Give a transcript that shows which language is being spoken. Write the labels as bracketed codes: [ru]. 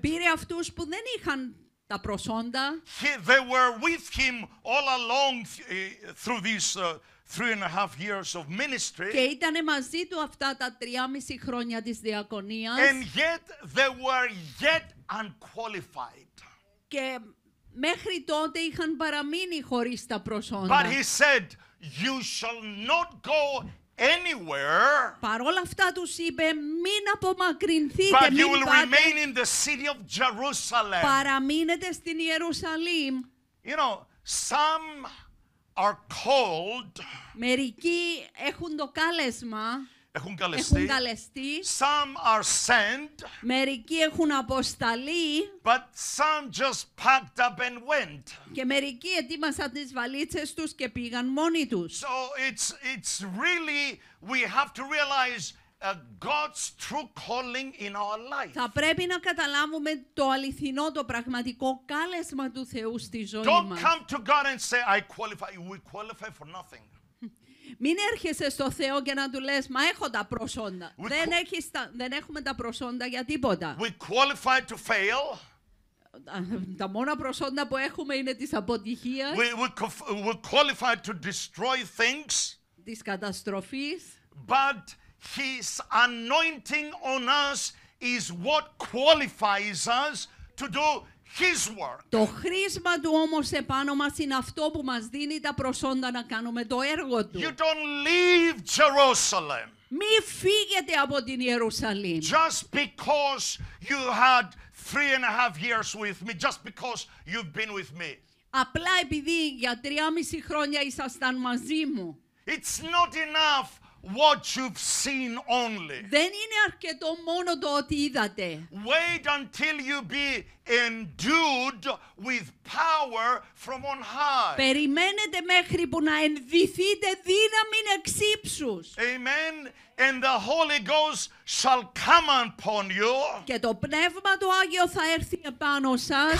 [el] Πήρε αυτούς που δεν είχαν τα προσόντα. [en] They were with him all along through these 3.5 years of ministry. [el] Και ήτανε μαζί του αυτά τα 3.5 χρόνια της διακονίας. [en] And yet they were yet unqualified. [el] Και μέχρι τότε είχαν παραμείνει χωρίς τα προσόντα. [en] But he said, "You shall not go anywhere." [el] Παρόλα αυτά τους είπε μην απομακρυνθείτε, [en] but [el] μην [en] you will [el] πάτε, [en] remain in the city of Jerusalem. [el] Παραμείνετε στην Ιερουσαλήμ. [en] You know, some are called. [el] Μερικοί έχουν το κάλεσμα. Έχουν καλεστεί. [en] Some are sent. [el] Μερικοί έχουν αποσταλεί. [en] But some just packed up and went. [el] Και μερικοί ετοίμασαν τις βαλίτσες τους και πήγαν μόνοι τους. [en] So it's really we have to realize God's true calling in our life. [el] Θα πρέπει να καταλάβουμε το αληθινό, το πραγματικό κάλεσμα του Θεού στη ζωή μας. [en] Don't come to God and say I qualify. We qualify for nothing. [el] Μην έρχεσαι στο Θεό και να του λες, μα έχω τα προσόντα. Δεν έχουμε τα προσόντα για τίποτα. [en] We qualify to fail. [el] Τα μόνα προσόντα που έχουμε είναι της αποτυχίας. [en] We qualify to destroy things. [el] Της καταστροφής. [en] But His anointing on us is what qualifies us to do His work. [el] Το χρήσμα του όμως επάνω μας είναι αυτό που μας δίνει τα προσόντα να κάνουμε το έργο του. [en] You don't leave Jerusalem. [el] Μη φύγετε από την Ιερουσαλήμ. [en] Just because you had 3.5 years with me, just because you've been with me. [el] Απλά επειδή για 3.5 χρόνια ήσασταν μαζί μου. [en] It's not enough what you've seen only. [el] Δεν είναι αρκετό μόνο το ότι είδατε. [en] Wait until you be endued with power from on high. [el] Περιμένετε μέχρι που να ενδυθείτε δύναμη εξύψους. [en] Amen. And the Holy Ghost shall come upon you. [el] Και το Πνεύμα το Άγιο θα έρθει επάνω σας.